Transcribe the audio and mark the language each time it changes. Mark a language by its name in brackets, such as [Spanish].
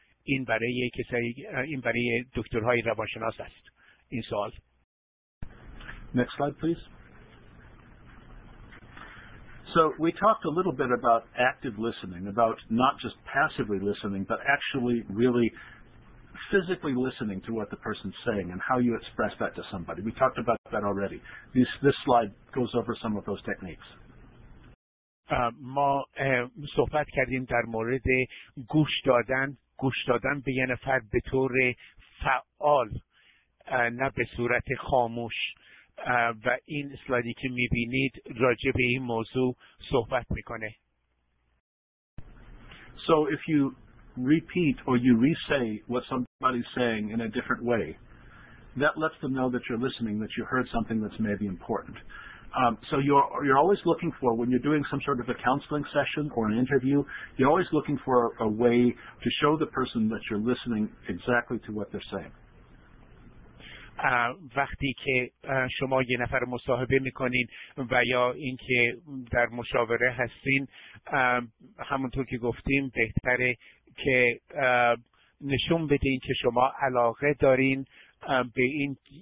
[Persian] این برای کسی، این برای دکترهای روانشناس است این سوال. [English] Next slide, please. So we talked a little bit about active listening, about not just passively listening, but actually really physically listening to what the person's saying and how you express that to somebody. We talked about that already. This slide goes over some of those techniques. [Persian] ما صحبت کردیم در مورد گوش دادن به یه نفر به طور فعال، نه به صورت خاموش. و این اسلایدی که می‌بینید راجع به این موضوع صحبت می‌کنه. [English] So if you repeat or you re-say what somebody's saying in a different way, that lets them know that you're listening, that you heard something that's maybe important. So you're always looking for, when you're doing some sort of a counseling session or an interview, you're always looking for a way to show the person that you're listening exactly to what they're saying. [Persian] وقتی که شما یه نفر مصاحبه میکنین و یا اینکه در مشاوره هستین، همونطور که گفتیم بهتره که نشون بدین که شما علاقه دارین به این